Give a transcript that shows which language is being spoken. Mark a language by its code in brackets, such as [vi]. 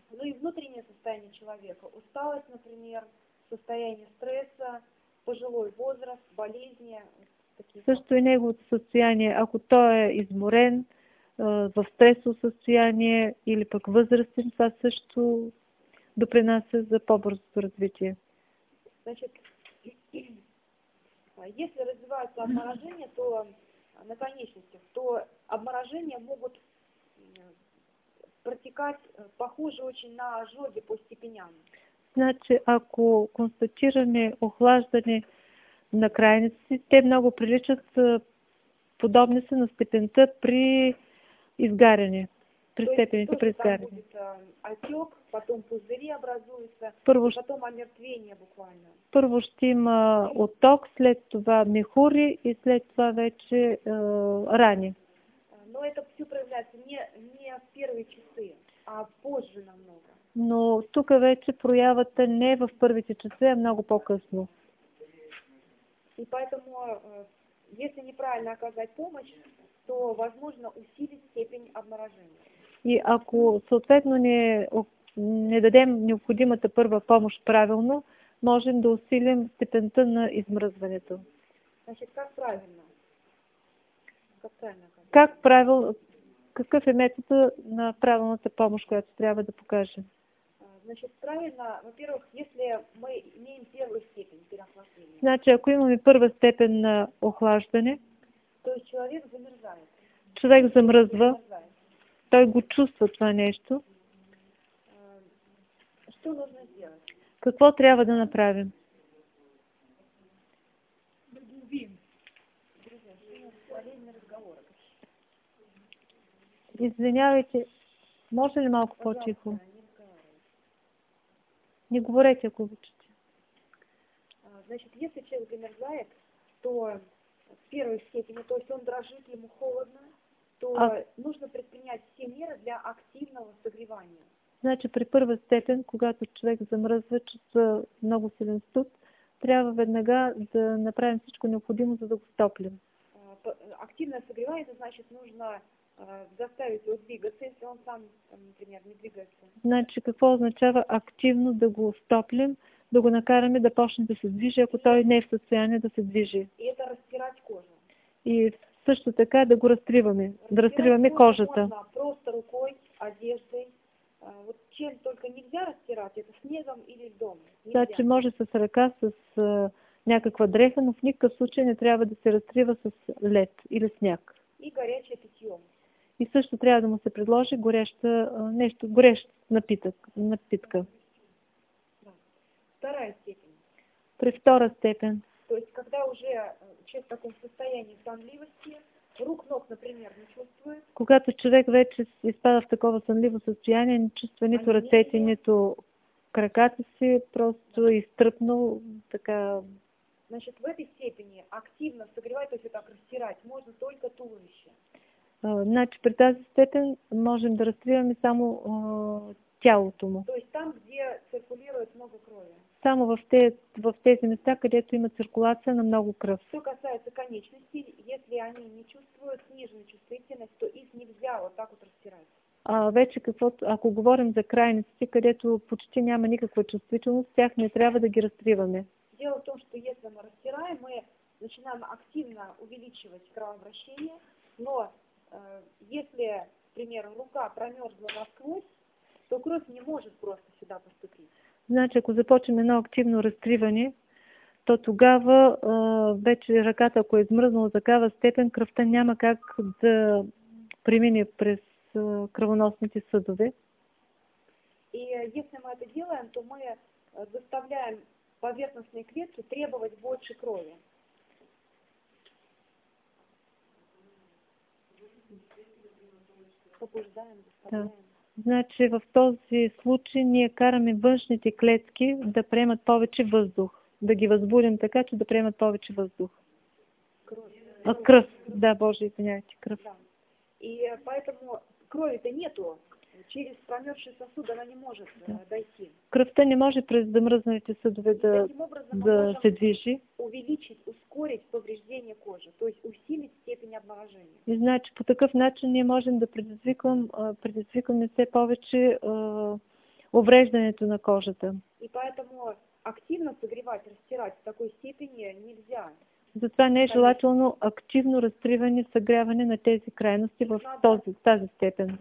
[ru] Но и внутреннее состояние человека. Усталость, например, состояние стреса, пожилой возраст, болезни. [bg] Също и неговото състояние. Ако той е изморен, в стресово състояние или пък възрастен, това също допринася за по-бързото развитие. [ru] Значит, если развивается обморожение, то на конечностях, то обморожения могут протекать похоже очень на ожоги по степеням. [bg] Значит, ако констатираме охлаждане на крайниците, те много приличат подобни са на степента при изгаряне. При степените при изгаряне. [ru] Отек, потом пузыри образуются, [bg] първо, [ru] потом омертвение буквально. [bg] Първо ще има отток, след това мехури и след това вече рани. [ru] Но это все проявляется не в первые часы, а позже намного. [bg] Но тук вече проявата не е в първите часове, а много по-късно. [ru] И поэтому, если неправильно оказать помощь, то возможно усилить степень обморожения. [bg] И ако съответно не дадем необходимата първа помощ правилно, можем да усилим степента на измръзването. [ru] Значит, как правильно? Как правильно? Как правило, [bg] какъв е методът на правилната помощ, която трябва да покажем? [ru] Значит, правильно, во-первых, если мы имеем первую степень переохлаждения. [bg] Значи, ако имаме първа степен на охлаждане, [ru] то есть человек замерзает. [bg] Човек замръзва. Той го чувства това нещо. [ru] Что нужно сделать? [bg] Какво трябва да направим? Да го убием. [ru] Друзья, [bg] ще имаме разговора. Извинявайте, може ли малко по-тихо? Не говорете, ако обичате. [ru] Значит, если человек замерзает, то в первой степени, то есть он дрожит, ему холодно, то нужно предпринять все меры для активного согревания. [bg] Значи при първа степен, когато човек замръзва, чувства много силен студ, трябва веднага да направим всичко необходимо, за да го стоплим. [ru] Активно согревание, значит, нужно заставить его двигаться, если он сам, например, не двигается. [bg] Значи какво означава активно да го стоплим, да го накараме да почне да се движи, ако той не е в състояние да се движи. [ru] И это разтирать кожу. [bg] И също така да го разтриваме, да разтриваме кожата. [ru] Можно, просто рукой, одеждой. Вот чем только нельзя растирать, это снегом или льдом. [bg] Значи може с ръка, с някаква дреха, но в никакъв случай не трябва да се разтрива с лед или сняг. [ru] И горячее питьё. [bg] И също трябва да му се предложи гореща нещо, горещ напитък, напитка. [ru] Да. Вторая степен. [bg] При втора степен. [ru] То есть когда уже человек в таком состоянии сонливости, рук, ног, например, не чувствует. [bg] Когато човек вече изпада в такова сънливо състояние, не чувства нито ръцете, нито краката си, просто изтръпнал така. [ru] Значит, в этой степени активно согревать, то есть так растирать, можно только туловище. [bg] Значи при тази степен можем да разтриваме само тялото му. [ru] То есть там, где циркулирует много крови. [bg] Само в тези места, където има циркулация на много кръв. [ru] Что касается конечностей, если они не чувствуют сниженную чувствительность, то их нельзя вот так вот растирать. [bg] Вече каквото, ако говорим за крайности, където почти няма никаква чувствителност, тях не трябва да ги разтриваме. [ru] Дело в том, что если мы растираем, мы начинаем активно увеличивать кровообращение, но если, например, рука промерзла насквозь, то кровь не может просто сюда поступить. [bg] Значи, ако започнем едно активно разтриване, то тогава вече ръката, ако е измръзнала такава степен, кръвта няма как да премине през кръвоносните съдове. [ru] И если мы это делаем, то мы заставляем поверхностные клетки требовать больше крови. [bg] Побуждаем, заставляем. Значи в този случай ние караме външните клетки да приемат повече въздух. Да ги възбудим така, че да приемат повече въздух. [ru] Кровь. [bg] Кръв. Да, Боже, извинявайте, кръв. [ru] Да. И поэтому крови-то нету. Через промерзшие сосуды она не может дойти. [bg] Кръвта не може през замръзналите съдове да се движи. [ru] Увеличить, ускорить повреждение кожи, то есть усилить степень обморожения. [bg] И значи по такъв начин ние можем да предизвикваме все повече увреждането на кожата. [ru] И поэтому активно согревать, растирать в такой степени нельзя. [bg] Затова не е желателно активно разтриване, съгряване на тези крайности в тази степен.